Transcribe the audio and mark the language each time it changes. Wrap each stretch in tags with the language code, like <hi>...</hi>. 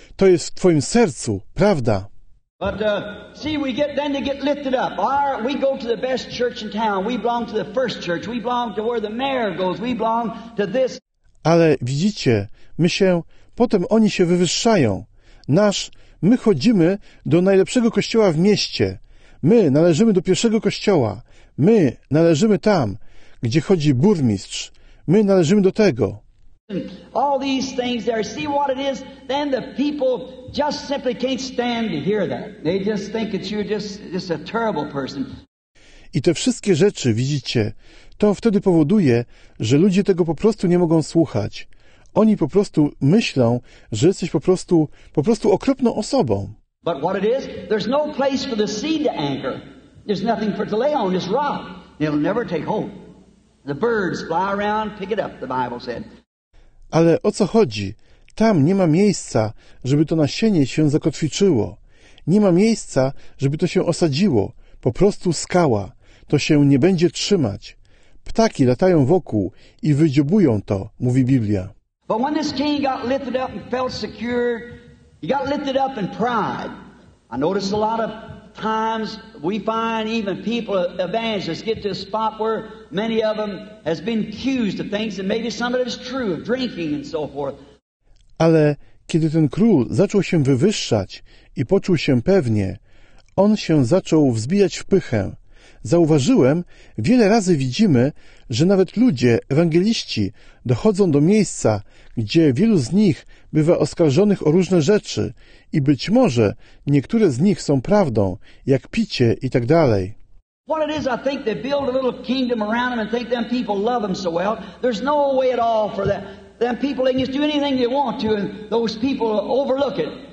<pl>To jest w twoim sercu. Prawda.</pl> <en>But see, we get then to get lifted up. We go to the best church in town. We belong to the first church. We belong to where the mayor goes. We belong to this.</en> <pl>Ale widzicie, potem oni się wywyższają. My chodzimy do najlepszego kościoła w mieście. My należymy do pierwszego kościoła. My należymy tam, gdzie chodzi burmistrz. My należymy do tego.</pl> <en>All these things there, see what it is? Then the people just simply can't stand to hear that. They just think that you're just a terrible person.</en> <pl>I te wszystkie rzeczy, widzicie, to wtedy powoduje, że ludzie tego po prostu nie mogą słuchać. Oni po prostu myślą, że jesteś po prostu okropną osobą.</pl> <en>But what it is, there's no place for the sea to anchor. There's nothing for it to lay on, it's rock. It'll never take hold. The birds fly around, pick it up, the Bible said.</en> <pl>Ale o co chodzi? Tam nie ma miejsca, żeby to nasienie się zakotwiczyło. Nie ma miejsca, żeby to się osadziło. Po prostu skała. To się nie będzie trzymać. Ptaki latają wokół i wydziobują to, mówi Biblia.</pl> <en>But when this king got lifted up and felt secure, he got lifted up in pride. I notice a lot of times we find even people, evangelists, get to a spot where many of them has been accused of things and maybe some of it is true, of drinking and so forth.</en> <pl>Ale kiedy ten król zaczął się wywyższać i poczuł się pewnie, on się zaczął wzbijać w pychę. Zauważyłem, wiele razy widzimy, że nawet ludzie, ewangeliści, dochodzą do miejsca, gdzie wielu z nich bywa oskarżonych o różne rzeczy i być może niektóre z nich są prawdą, jak picie i tak dalej.</pl> <en>What it is, I think they build a little kingdom around them and think them people love them so well. There's no way at all for that. Them people, they can just do anything they want to and those people overlook it.</en>